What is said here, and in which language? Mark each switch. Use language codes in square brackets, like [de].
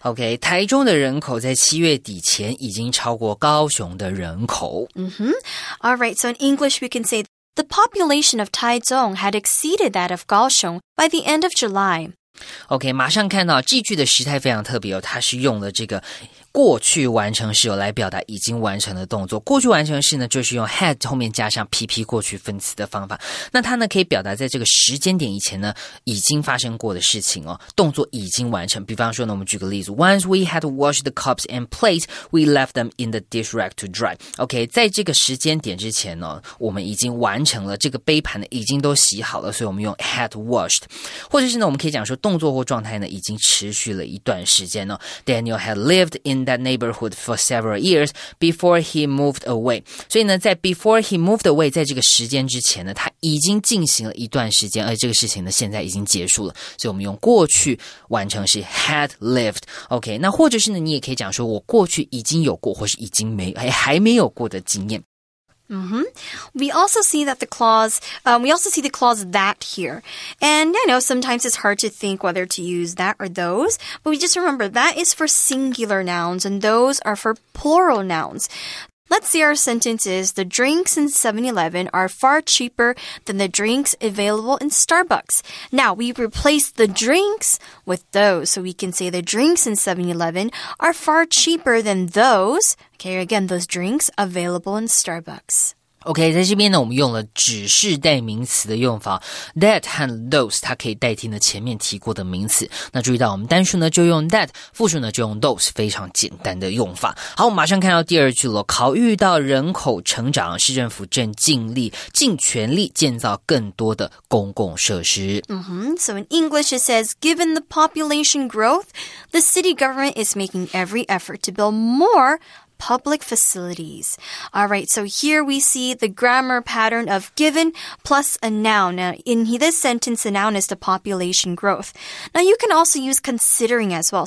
[zh] Okay, 台中的人口在七月底前已经超过高雄的人口。 [en] Alright, so in English we can say, the population of Taizong had exceeded that of Kaohsiung by the end of July. [zh] Okay, 马上看到这句的时态非常特别哦，它是用了这个过去完成式来表达已经完成的动作。过去完成式呢，就是用 had 后面加上 PP 过去分词的方法。那它呢，可以表达在这个时间点以前呢，已经发生过的事情哦，动作已经完成。比方说呢，我们举个例子 ， [en] Once we had washed the cups and plates, we left them in the dish rack to dry. [zh] OK， 在这个时间点之前呢，我们已经完成了这个杯盘呢，已经都洗好了，所以我们用 had washed， 或者是呢，我们可以讲说动作或状态呢，已经持续了一段时间哦。 [en] Daniel had lived in that neighborhood for several years before he moved away. [zh] 所以呢，在 [en] before he moved away， [zh] 在这个时间之前呢，他已经进行了一段时间，而这个事情呢，现在已经结束了。所以我们用过去完成式 had lived. OK， 那或者是呢，你也可以讲说我过去已经有过，或是已经没还没有过的经验。 [en] We also see that the clause, we also see the clause that here. And I know sometimes it's hard to think whether to use that or those, but we just remember that is for singular nouns and those are for plural nouns. Let's see our sentences. The drinks in 7-Eleven are far cheaper than the drinks available in Starbucks. Now, we replace the drinks with those. So we can say the drinks in 7-Eleven are far cheaper than those. Okay, again, those drinks available in Starbucks. [zh] OK, 在这边呢我们用了指示代名词的用法 That 和 those 它可以代替呢前面提过的名词那注意到我们单数呢就用 that 复数呢就用 those 非常简单的用法好我们马上看到第二句了考虑到人口成长市政府正尽全力建造更多的公共设施、 mm-hmm. [en] So in English it says Given the population growth The city government is making every effort to build morePublic facilities. All right, so here we see the grammar pattern of given plus a noun. Now, in this sentence, the noun is the population growth. Now, you can also use considering as well.